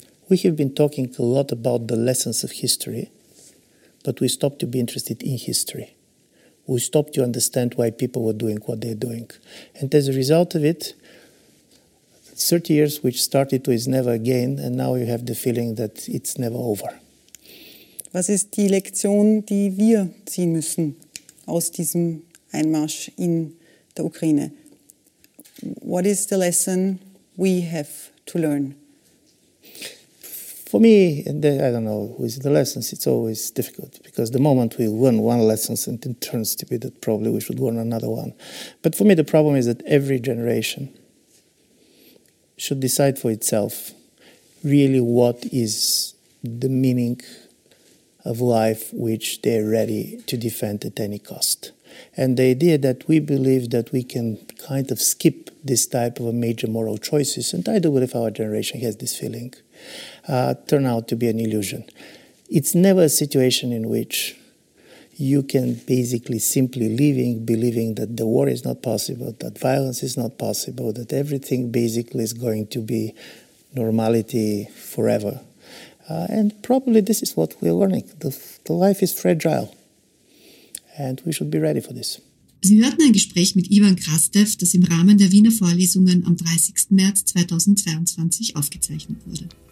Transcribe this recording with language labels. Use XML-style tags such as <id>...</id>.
<en>We have been talking a lot about the lessons of history, but we stopped to be interested in history. We stopped to understand why people were doing what they're doing. And as a result of it, 30 years, which started with never again, and now you have the feeling that it's never over.</en> <de>Was ist die Lektion, die wir ziehen müssen aus diesem Einmarsch in der Ukraine?</de> <en>What is the lesson we have to learn? For me, and then, I don't know, with the lessons, it's always difficult because the moment we learn one lesson, it turns to be that probably we should learn another one. But for me, the problem is that every generation should decide for itself really what is the meaning of life which they're ready to defend at any cost. And the idea that we believe that we can kind of skip this type of a major moral choices, and I do believe our generation has this feeling, turn out to be an illusion. It's never a situation in which you can basically simply living, believing that the war is not possible, that violence is not possible, that everything basically is going to be normality forever. And probably this is what we're learning. The life is fragile. And we should be ready for this.</en> <de>Sie hörten ein Gespräch mit Ivan Krastev, das im Rahmen der Wiener Vorlesungen am 30. März 2022 aufgezeichnet wurde.</de>